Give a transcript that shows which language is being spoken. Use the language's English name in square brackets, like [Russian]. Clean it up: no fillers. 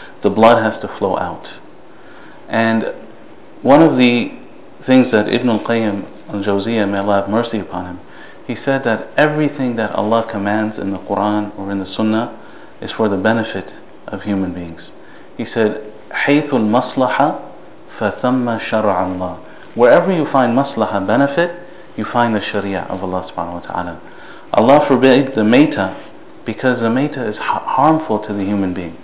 [English] The blood has to flow out. And one of the things that Ibn al-Qayyim al-Jawziyyah, may Allah have mercy upon him, he said that everything that Allah commands in the Quran or in the Sunnah is for the benefit of human beings. [Arabic] He said, حَيْثُ الْمَصْلَحَ فَثَمَّ شَرَعَ اللَّهِ. [English] Wherever you find maslaha, benefit, you find the sharia of Allah subhanahu wa ta'ala. Allah forbade the mayta because the mayta is harmful to the human being.